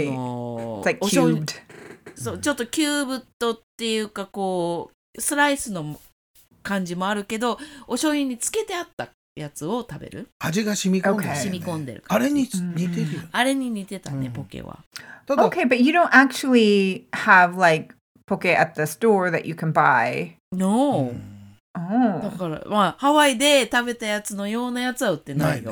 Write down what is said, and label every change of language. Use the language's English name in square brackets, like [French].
[Japanese] like、お醤油、うん、そう、ちょっとキューブっていうかこうスライスの感じもあるけど、お醤油につけてあったやつを食べる。味が染み込んで、染み込んでる。あれに似てる。あれに似てたね、うん、ポケは。 [English] Okay, but you don't actually have like ポケ at the store that you can buy. No.、 [Japanese] うん、だから、まあ、ハワイで食べたやつのようなやつは売ってないよ。